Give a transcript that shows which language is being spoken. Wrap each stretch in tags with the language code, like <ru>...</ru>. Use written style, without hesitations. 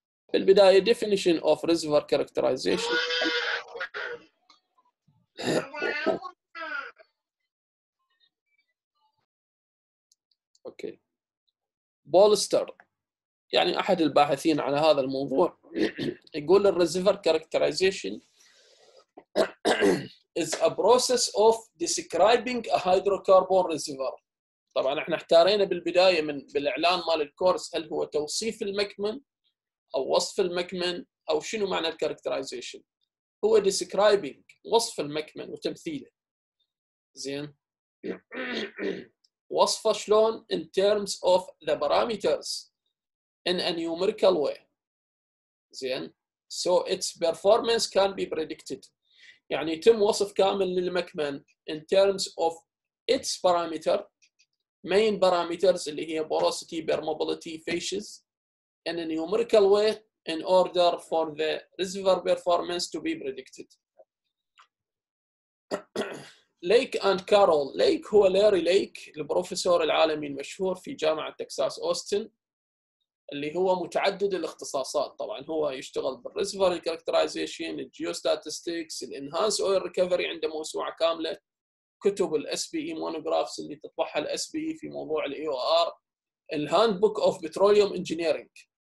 <ar>في البدايه</ar> <en>definition of reservoir characterization okay</en> <ar>بولستر يعني احد الباحثين على هذا الموضوع يقول</ar> <en>الريزرفر characterization is a process of describing a hydrocarbon reservoir.</en> <ar>طبعا احنا احتارينا بالبدايه من بالاعلان مال الكورس هل هو توصيف المكمن او وصف المكمن او شنو معنى الكاركترايزيشن. هو ديسكرايبنج وصف المكمن وتمثيله زين. وصفه شلون</ar> <en>in terms of the parameters in a numerical way</en> <ar>زين.</ar> <en>So its performance can be predicted.</en> <ar>يعني يتم وصف كامل للمكمن</ar> <en>in terms of its parameter main parameters</en> <ar>اللي هي</ar> <en>porosity, permeability, phases in a numerical way in order for the reservoir performance to be predicted. Lake and Carroll.</en> <ar>Lake هو Larry Lake البروفيسور العالمي المشهور في جامعة تكساس أوستن اللي هو متعدد الاختصاصات. طبعا هو يشتغل بالreservoir characterization, geostatistics, enhanced oil recovery عنده موسوعة كاملة كتب الـ SPE monographs اللي تطبعها الـ SPE في موضوع الـ EOR الـ Handbook of Petroleum Engineering.</ar>